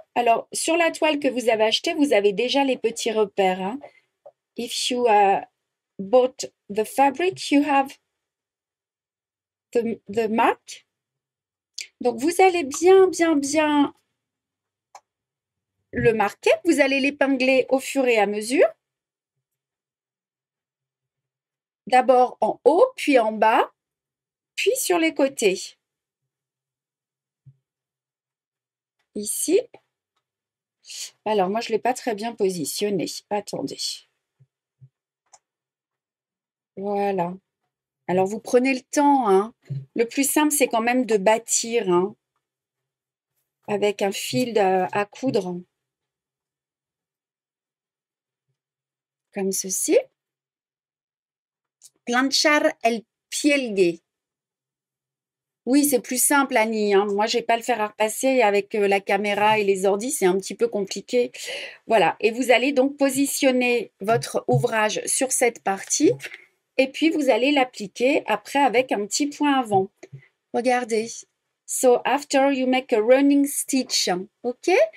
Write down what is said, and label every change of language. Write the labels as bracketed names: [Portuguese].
[French] Alors, sur la toile que vous avez achetée, vous avez déjà les petits repères. Hein. [English] If you bought the fabric, you have the mark. [French] Donc, vous allez bien, bien, bien le marquer. Vous allez l'épingler au fur et à mesure. D'abord en haut, puis en bas. Puis sur les côtés. Ici. Alors, moi, je ne l'ai pas très bien positionné. Attendez. Voilà. Alors, vous prenez le temps. Hein. Le plus simple, c'est quand même de bâtir hein, avec un fil à coudre. Comme ceci. [Spanish] Planchar el pielgue. [French] Oui, c'est plus simple, Annie. Hein. Moi, je n'ai pas le fer à repasser avec la caméra et les ordi, c'est un petit peu compliqué. Voilà, et vous allez donc positionner votre ouvrage sur cette partie et puis vous allez l'appliquer après avec un petit point avant. Regardez. [English] So, after you make a running stitch, ok?